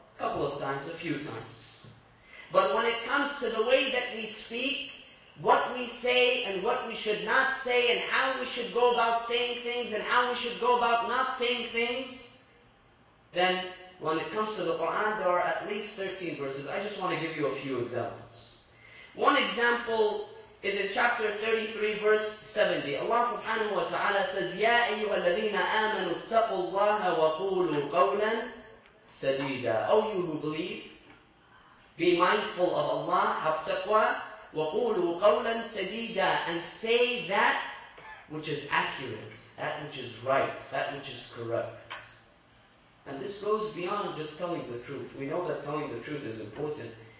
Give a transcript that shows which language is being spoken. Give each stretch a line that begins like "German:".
English: A couple of times, a few times. But when it comes to the way that we speak, what we say and what we should not say, and how we should go about saying things and how we should go about not saying things, then when it comes to the Qur'an, there are at least 13 verses. I just want to give you a few examples. One example is in chapter 33, verse 70.
Arabic: Allah subhanahu wa ta'ala says, يَا أَيُّهَا الَّذِينَ آمَنُوا اتَّقُوا اللَّهَ وَقُولُوا قَوْلًا سَدِيدًا.
English: O you who believe, be mindful of Allah, have taqwa,
Arabic: وَقُولُوا قَوْلًا سَدِيدًا,
English: and say that which is accurate, that which is right, that which is correct. And this goes beyond just telling the truth. We know that telling the truth is important.